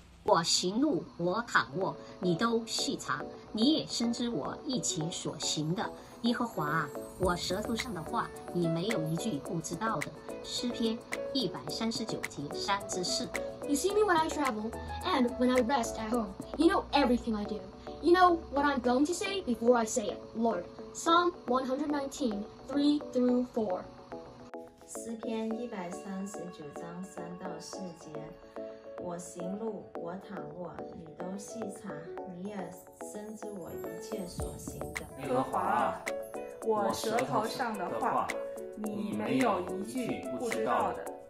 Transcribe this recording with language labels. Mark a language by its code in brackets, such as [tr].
[zh] 我行路，我躺卧，你都细察，你也深知我一切所行的。耶和华啊，我舌头上的话，你没有一句不知道的。诗篇139:3-4。 [en] You see me when I travel, and when I rest at home. You know everything I do. You know what I'm going to say before I say it, Lord. Psalm 119:3-4. [zh] 诗篇139:3-4，我行路，我躺卧，你都细察，你也深知我一切所行的。耶和华啊，我舌头上的话，你没有一句不知道的。